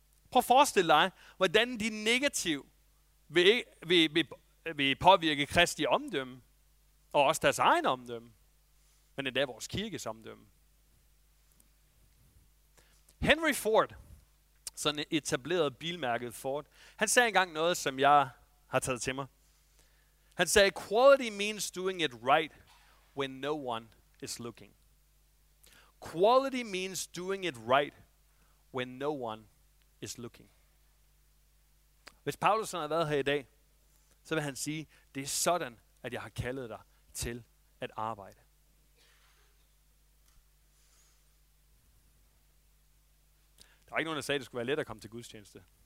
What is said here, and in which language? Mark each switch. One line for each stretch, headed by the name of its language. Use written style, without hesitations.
Danish: Prøv at forestille dig, hvordan de negative vil påvirke Kristi omdømme, og også deres egen omdømme, men endda vores kirkes omdømme. Henry Ford, sådan etableret bilmærket Ford, han sagde engang noget, som jeg har taget til mig. Han sagde,
English: quality means doing it right when no one is looking. Quality means doing it right when no one is looking.
Danish: Hvis Paulus har været her i dag, så vil han sige, det er sådan, at jeg har kaldet dig til at arbejde. Der var ikke nogen, der sagde, at det skulle være let at komme til gudstjeneste.